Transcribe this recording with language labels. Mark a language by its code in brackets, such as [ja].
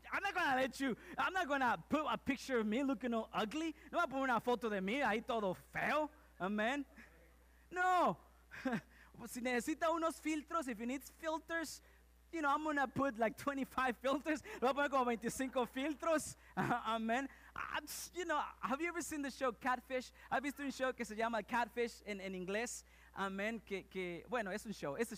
[en] I'm not going to put a picture of me looking all ugly. [es] No voy a poner una foto de mí ahí todo feo. Amen. No. Si necesita unos filtros, [en] if he needs filters, you know, I'm going to put like 25 filters. [es] Lo voy a poner como 25 filtros. [en] Amen. You know, have you ever seen the show Catfish? [es] ¿Has visto un show que se llama Catfish en inglés? Amen. Bueno, es un show.